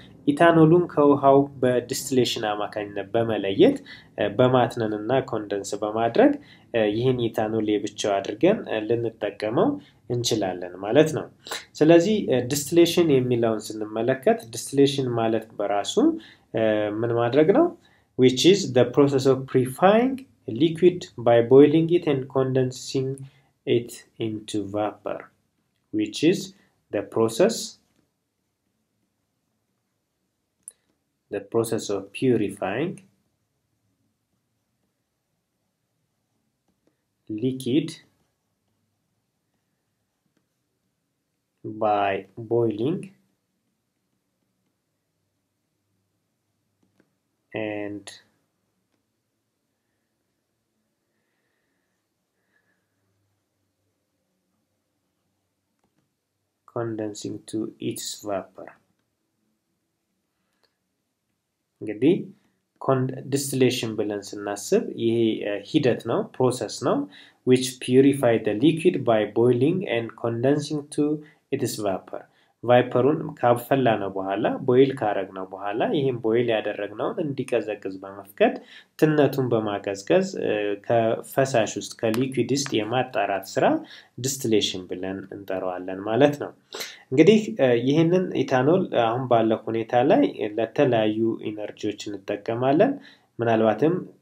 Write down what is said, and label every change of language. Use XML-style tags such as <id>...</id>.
<am>ኢታኖሉን ከውሃው በዲስትሌሽን አማካኝነት በመለየት በማትነን እና ኮንደንስ በማድረግ ይህን ኢታኖል የብቻው አድርገን ልንጠቀመው እንችላለን ማለት ነው። ስለዚህ ዲስትሌሽን የሚለውን ስንመለከት ዲስትሌሽን ማለት በራሱ ምን ማድረግ ነው?</am> <en>Which is the process of purifying liquid by boiling it and condensing it into vapor. Which is the process of purifying liquid by boiling and condensing to its vapor.</en> <am>እንግዲህ ኮንደንሴሽን ብለን ስናስብ ይሄ ሂደት ነው፣ ፕሮሰስ ነው።</am> <en>which purify the liquid by boiling and condensing to its vapor.</en> <am>ቫይፐሩን ካፈላ ነው በኋላ ቦይል ካረግ ነው በኋላ ይሄን ቦይል ያደረግ ነው እንዲቀዘቅዝ በመፍቀድ ትነቱን በማቀዝቀዝ ከፈሳሽ ውስጥ ከሊኩዊድ ውስጥ የማጣራት ስራ ዲስቲሌሽን ብለን እንጠራዋለን ማለት ነው። እንግዲህ ይሄንን ኢታኖል አሁን ባለው ሁኔታ ላይ ለተለያዩ ኢነርጂዎች እንጠቀማለን። ምናልባትም</am>